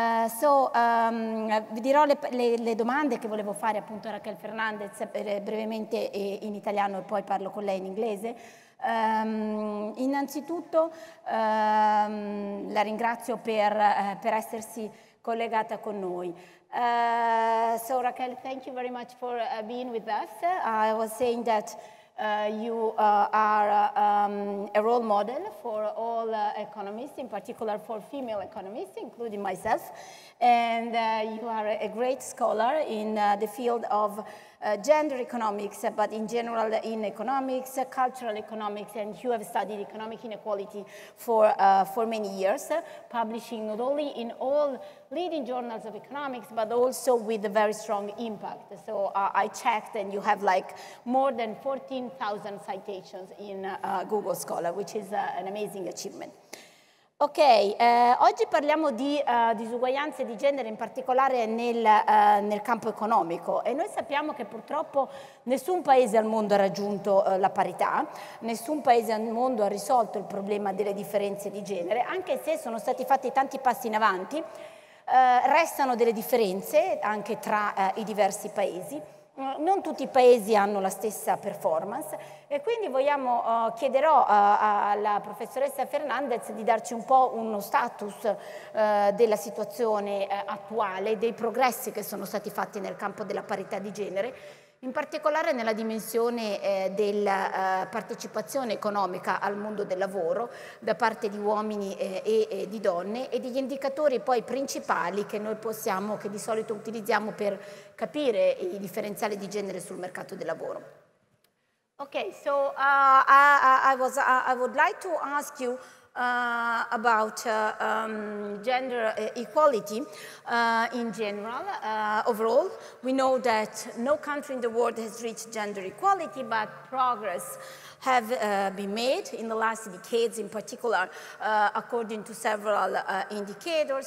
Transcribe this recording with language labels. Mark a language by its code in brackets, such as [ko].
[it] Vi dirò le domande che volevo fare appunto a Raquel Fernandez brevemente in italiano e poi parlo con lei in inglese. Innanzitutto la ringrazio per essersi collegata con noi. [en] So Raquel, thank you very much for being with us. I was saying that you are a role model for all economists, in particular for female economists, including myself. And you are a great scholar in the field of gender economics, but in general in economics, cultural economics, and you have studied economic inequality for many years, publishing not only in all leading journals of economics, but also with a very strong impact. So I checked and you have like more than 14,000 citations in Google Scholar, which is an amazing achievement. [it] Ok, oggi parliamo di disuguaglianze di genere, in particolare nel campo economico, e noi sappiamo che purtroppo nessun paese al mondo ha raggiunto la parità, nessun paese al mondo ha risolto il problema delle differenze di genere, anche se sono stati fatti tanti passi in avanti, restano delle differenze anche tra i diversi paesi. Non tutti i paesi hanno la stessa performance e quindi chiederò alla professoressa Fernandez di darci un po' uno status della situazione attuale, dei progressi che sono stati fatti nel campo della parità di genere, in particolare nella dimensione della partecipazione economica al mondo del lavoro da parte di uomini e di donne e degli indicatori poi principali che noi possiamo, che di solito utilizziamo per capire i differenziali di genere sul mercato del lavoro. [en] Ok, so I would like to ask you about gender equality in general, overall. We know that no country in the world has reached gender equality, but progress have been made in the last decades, in particular, according to several indicators.